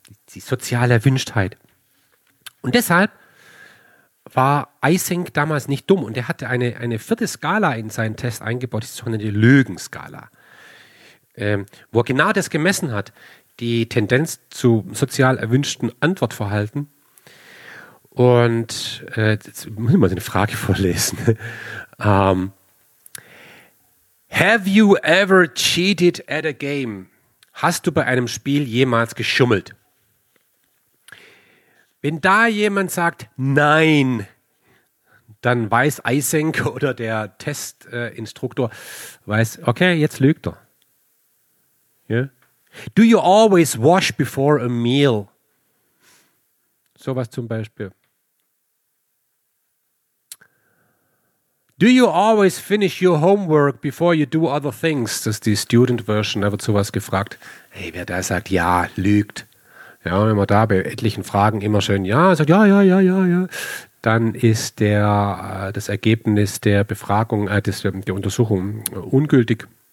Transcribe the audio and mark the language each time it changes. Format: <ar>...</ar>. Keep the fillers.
<de>Die soziale Erwünschtheit. Und deshalb war Eisenk damals nicht dumm und er hatte eine, eine vierte Skala in seinen Test eingebaut, die sogenannte Lügenskala, ähm, wo er genau das gemessen hat, die Tendenz zu sozial erwünschten Antwortverhalten. Und äh, jetzt muss ich mal eine Frage vorlesen.</de> <en>Ähm, Have you ever cheated at a game?</en> <de>Hast du bei einem Spiel jemals geschummelt? Wenn da jemand sagt Nein, dann weiß ISENK oder der Testinstruktor, weiß, okay, jetzt lügt er.</de> <en>Yeah. Do you always wash before a meal?</en> <de>Sowas zum Beispiel.</de> <en>Do you always finish your homework before you do other things?</en> <de>Das ist die Student Version. Da wird sowas gefragt. Hey, wer da sagt ja, lügt. Ja, wenn man da bei etlichen Fragen immer schön ja sagt, ja, ja, ja, ja, ja, dann ist der, das Ergebnis der Befragung, äh, der Untersuchung ungültig.</de>